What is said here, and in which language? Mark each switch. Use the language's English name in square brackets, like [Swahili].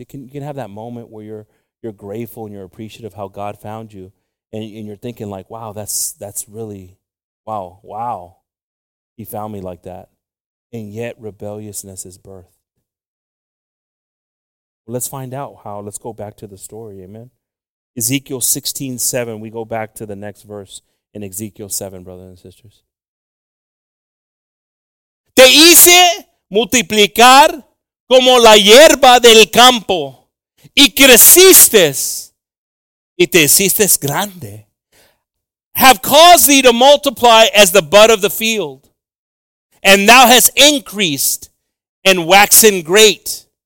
[English] You can have that moment where you're grateful and you're appreciative how God found you, and you're thinking like, wow, that's really, wow, he found me like that. And yet rebelliousness is birthed. Let's find out how. Let's go back to the story, amen? Ezekiel 16:7, we go back to the next verse in Ezekiel 7, brothers and sisters. [Spanish] Te hice multiplicar como la hierba del campo, y creciste, y te hiciste grande. [English] Have caused thee to multiply as the bud of the field, and thou hast increased and waxen great.